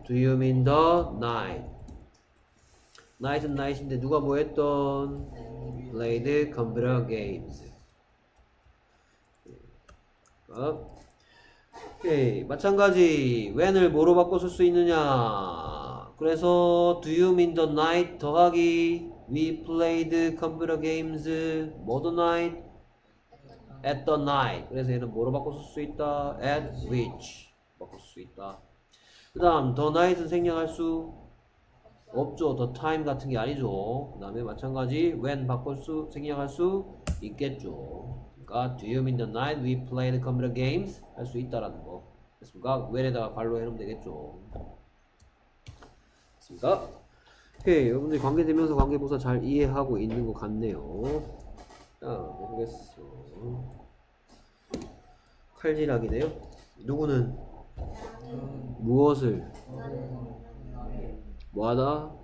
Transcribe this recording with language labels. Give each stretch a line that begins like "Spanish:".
English: Do you mean the night? Night은 night인데 누가 뭐 했던? Played computer games.
Korean: 오케이, 마찬가지 when을 뭐로 바꿔 쓸 수 있느냐.
English: 그래서 do you mean the night 더하기 we played computer games what night at the night.
Korean: 그래서 얘는 뭐로 바꿔 쓸 수 있다? at which 바꿔 쓸 수 있다. 그 다음 the night은 생략할 수 없죠. the time 같은 게 아니죠. 그 다음에 마찬가지 when 바꿔 쓸 수 생략할 수 있겠죠.
English: 그러니까 Do you mean the night we played computer games?
Korean: 할 수 있다라는 거 됐습니까? when에다가 발로 해놓으면 되겠죠. 됐습니까? 오케이, 여러분들이 관계대명사 관계부사 잘 이해하고 있는 것 같네요. 자, 해보겠어. 칼질하기네요. 누구는? 무엇을? 뭐하다?